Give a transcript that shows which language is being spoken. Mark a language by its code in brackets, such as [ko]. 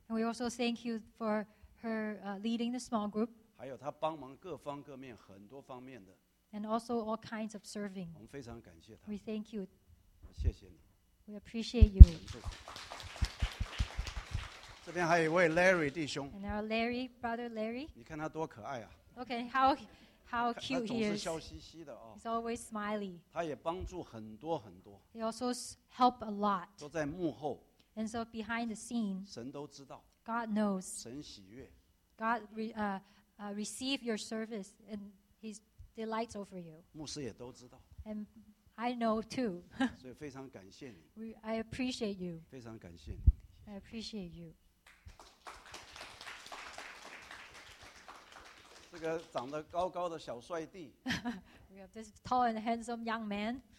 [en] and we also thank you for her leading the small group. [zh] 还有他帮忙各方各面很多方面的 [en] and also all kinds of serving. [zh] 我们非常感谢他 [en] we thank you. [zh] 谢谢你 [en] we appreciate you. [zh] 这边还有一位 Larry 弟兄 [en] and our Larry, brother Larry. [zh] 你看他多可爱啊 [en] okay, how cute he is [zh] 他总是笑嘻嘻的、哦、 [en] He's always smiley [zh] 他也帮助很多很多 [en] He also helped a lot [zh] 都在幕后 [en] And so behind the scene, [zh] 神都知道, [en] God knows. [zh] 神喜悦, [en] God receive your service and he delights over you. [zh] 牧师也都知道, [en] and I know too. [zh] 所以非常感谢你, [en] I appreciate you. [zh] 非常感谢你, [en] I appreciate you. [zh] 这个长得高高的小帅弟, [en] we have this tall and handsome young man.